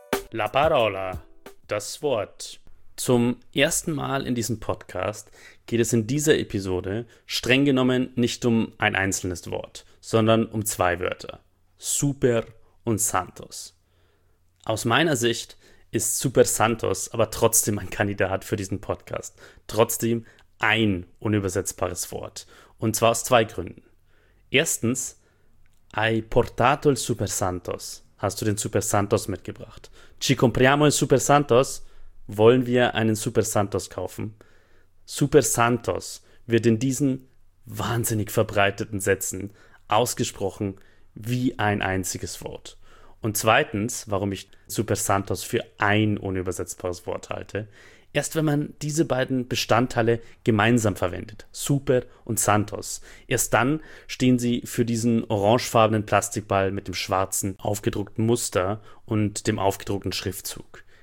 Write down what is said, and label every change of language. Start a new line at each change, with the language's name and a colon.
Italian: La parola,
German: das Wort. Zum ersten Mal in diesem Podcast geht es in dieser Episode streng genommen nicht um ein einzelnes Wort, sondern um zwei Wörter, Super und Santos. Aus meiner Sicht ist Super Santos aber trotzdem ein Kandidat für diesen Podcast, trotzdem ein unübersetzbares Wort, und zwar aus zwei Gründen.
Italian: Erstens, hai portato il Super Santos.
German: Hast du den Super Santos mitgebracht?
Italian: Ci compriamo il Super Santos?
German: Wollen wir einen Super Santos kaufen? Super Santos wird in diesen wahnsinnig verbreiteten Sätzen ausgesprochen wie ein einziges Wort. Und zweitens, warum ich Super Santos für ein unübersetzbares Wort halte, erst wenn man diese beiden Bestandteile gemeinsam verwendet, Super und Santos, erst dann stehen sie für diesen orangefarbenen Plastikball mit dem schwarzen aufgedruckten Muster und dem aufgedruckten Schriftzug.